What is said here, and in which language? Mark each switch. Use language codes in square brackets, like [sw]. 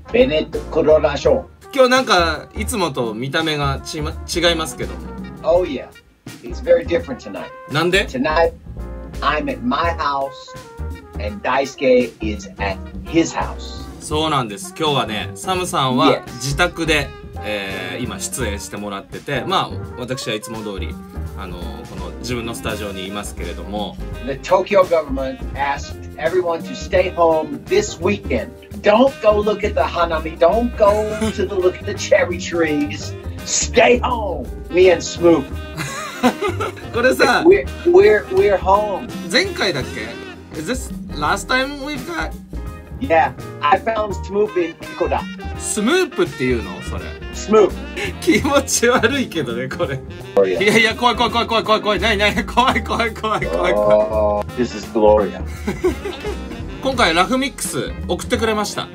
[ja] ベネット・コロラショー。今日なんかいつもと見た目が違いますけど。 [en] Oh yeah. It's very different tonight. [ja] なんで? [en] Tonight, I'm at my house, and Daisuke is at his house. [ja] そうなんです。今日はね、サムさんは自宅で、今出演してもらってて、まあ、私はいつも通り、この自分のスタジオにいますけれども。 [en] The Tokyo government asked everyone to stay home this weekend. Don't go look at the hanami. Don't go to the look at the cherry trees. Stay home, me and Smoop. [ja] これさ [en] we're home. [ja] 前回だっけ [en] Is this last time we've got? Yeah, I found Smoop in Koda. [ja] Smoop っていうのそれ [en] Smoop [ja] 気持ち悪いけどねこれ、 [en] oh, yeah. [ja] いやいや怖い怖い怖い怖い怖い怖い怖い怖い怖い怖い怖い怖い [en] This is Gloria [ja] 今回ラフミックス送ってくれました